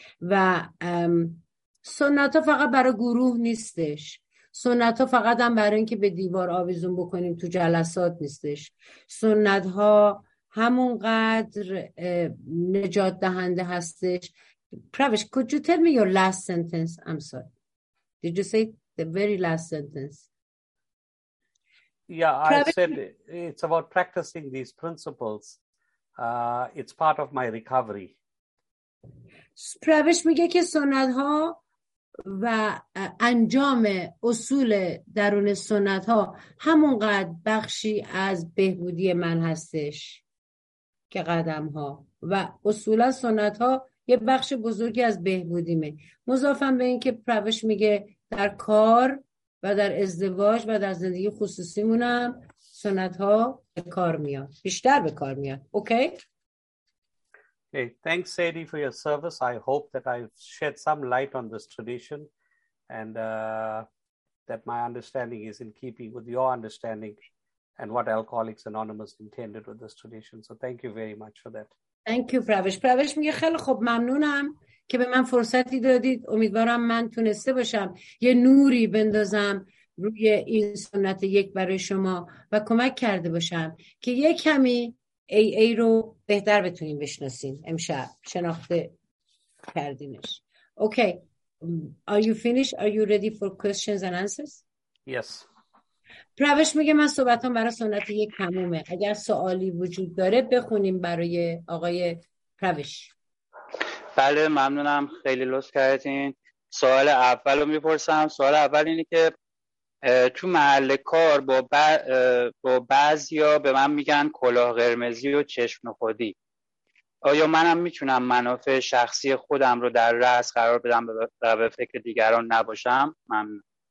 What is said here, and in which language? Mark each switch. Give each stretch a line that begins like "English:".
Persian: و سنت‌ها فقط برای گروه نیستش، سنت ها فقط هم برای اینکه به دیوار آویزون بکنیم تو جلسات نیستش. سنت ها همونقدر نجات دهنده هستش.
English: Pravesh, could you tell me your last sentence? I'm sorry. Did you say the very last sentence? Yeah, Pravish, I said it's about practicing these principles. It's part of my recovery.
Persian: پروش میگه که سنت ها و انجام اصول درون سنت ها همونقدر بخشی از بهبودی من هستش که قدم ها و اصولا سنت ها یه بخش بزرگی از بهبودیمه. مضافم به این که پروش میگه در کار و در ازدواج و در زندگی خصوصیمونم سنت ها به کار میاد، بیشتر به کار میاد.
English: Okay? Hey, thanks, Sadie, for your service. I hope that I've shed some light on this tradition and that my understanding is in keeping with your understanding and what Alcoholics Anonymous intended with this tradition. So thank you very much for that. Thank you, Pravesh.
Persian: Pravesh میگه خیلی خوب ممنونم که به من فرصتی دادید. امیدوارم من تونسته باشم یه نوری بندازم روی این سنت یک برای شما و کمک کرده باشم که یه کمی AA رو بهتر بتونیم بشناسیم. امشب شناخته کردیمش.
English: Okay. Are you finished? Are you ready for questions and answers? Yes.
Persian: پروش میگه من صحبتام برای سنت یک تمومه، اگر سوالی وجود داره بخونیم برای آقای پروش. بله ممنونم، خیلی لطف کردین. سوال اول رو میپرسم. سوال اول اینه که تو محل کار با بعضی ها به من میگن کلاه قرمزی و چشم خودی، آیا منم میتونم منافع شخصی خودم رو در رأس قرار بدم و به فکر دیگران نباشم؟ ممنون.